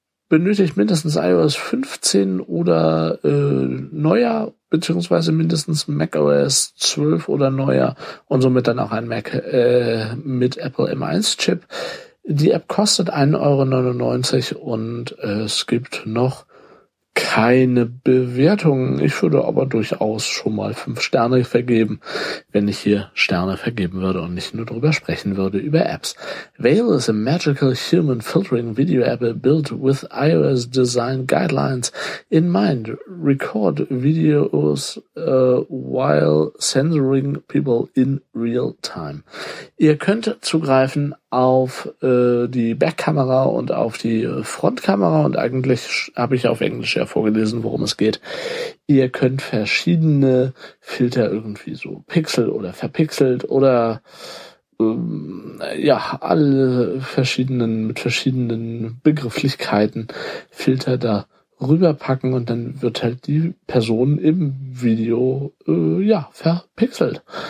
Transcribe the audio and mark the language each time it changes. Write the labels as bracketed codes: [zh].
[de] Benötigt mindestens iOS 15 oder neuer, beziehungsweise mindestens macOS 12 oder neuer und somit dann auch ein Mac mit Apple M1-Chip. Die App kostet 1,99 Euro und es gibt noch keine Bewertungen. Ich würde aber durchaus schon mal 5 Sterne vergeben, wenn ich hier Sterne vergeben würde und nicht nur drüber sprechen würde über Apps. [en] Veil is a magical human filtering video app built with iOS design guidelines in mind. Record videos while censoring people in real time. [de] Ihr könnt zugreifen auf die Backkamera und auf die Frontkamera und eigentlich habe ich auf Englisch ja vorgelesen, worum es geht. Ihr könnt verschiedene Filter irgendwie so pixel oder verpixelt oder ja, alle verschiedenen mit verschiedenen Begrifflichkeiten Filter da rüberpacken und dann wird halt die Person im Video ja verpixelt.